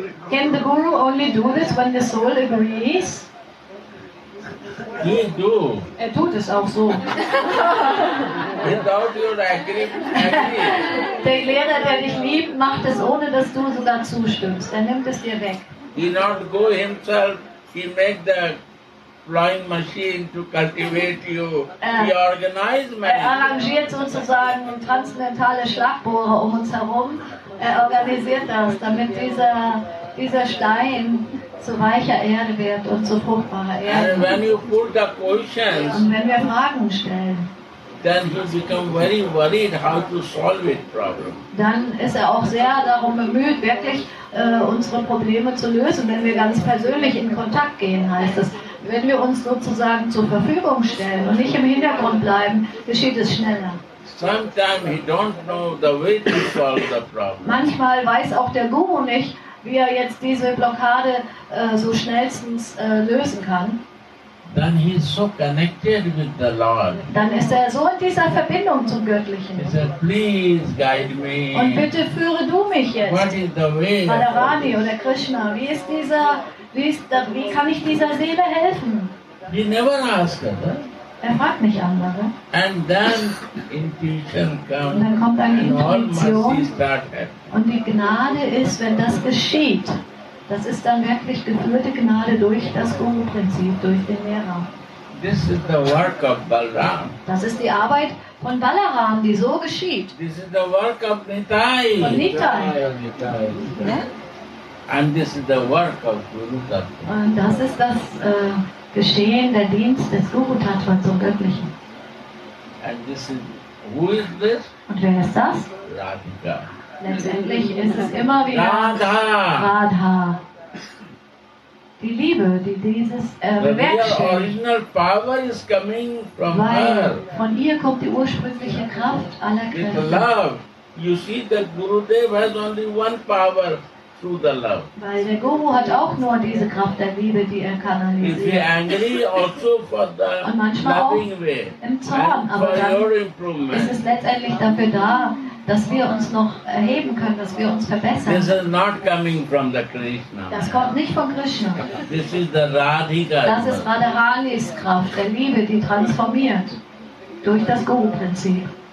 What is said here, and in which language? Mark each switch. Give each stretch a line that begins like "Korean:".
English: Can the Guru only do this when the soul agrees? He do.
German: Er tut es auch so.
English: Without your agreement.
German: Der Lehrer, der dich liebt, macht es ohne, dass du sogar zustimmst. Er nimmt es dir weg.
English: He not go himself. He make the flying machine to cultivate you. He organize man.
German: Er arrangiert sozusagen transzendentale Schlagbohrer um uns herum. Er organisiert das, damit dieser Stein zu weicher Erde wird und zu fruchtbarer Erde.
English: And when you put the questions,
German: und wenn wir Fragen stellen,
English: then he become very worried how to solve it problem.
German: Dann ist er auch sehr darum bemüht, wirklich unsere Probleme zu lösen, wenn wir ganz persönlich in Kontakt gehen, heißt es. Wenn wir uns sozusagen zur Verfügung stellen und nicht im Hintergrund bleiben, geschieht es schneller.
English: Sometimes he don't know the way to solve the problem.
German: Manchmal weiß auch der Guru nicht, wie er jetzt diese Blockade so schnellstens lösen kann.
English: Then he is so connected with the Lord.
German: Dann ist er so in dieser Verbindung zum Göttlichen.
English: He said, please guide me.
German: Und bitte führe du mich jetzt.
English: What is the way?
German: Radharani oder Krishna, wie ist dieser, wie kann ich dieser Seele helfen?
English: He never asked her.
German: Er fragt nicht andere.
English: And then intuition comes.
German: Und dann kommt eine Intuition. Und die Gnade ist, wenn das geschieht. Das ist dann wirklich geführte Gnade durch das Guru-Prinzip, durch den Lehrer.
English: This is the work of Balaram.
German: Das ist die Arbeit von Balaram, die so geschieht.
English: This is the work of Nithai.
German: Von Nithai.
English: And this is the work of Guru Tattva.
German: Und das ist das Geschehen, der Dienst des Guru Tattva zum Göttlichen.
English: And this is, who is this?
German: Und wer ist das?
English: Radhika.
German: Letztendlich ist es immer wieder Radha. Radha. die Liebe, die dieses bewerkstelligt.
English: The original power is coming from her.
German: Von ihr kommt die ursprüngliche Kraft aller Kräfte.
English: With love, you see that Gurudev has only one power through the love.
German: Weil der Guru hat auch nur diese Kraft der Liebe, die er kanalisiert.
English: If he angry also for the loving way.
German: Im Zorn, aber dann ist es letztendlich dafür da, dass wir uns noch erheben können, dass wir uns verbessern.
English: This is not coming from the Krishna.
German: Das kommt nicht von Krishna.
English: This is the Radhika.
German: Das ist Radharani's Kraft, der Liebe, die transformiert durch das Guru-Prinzip.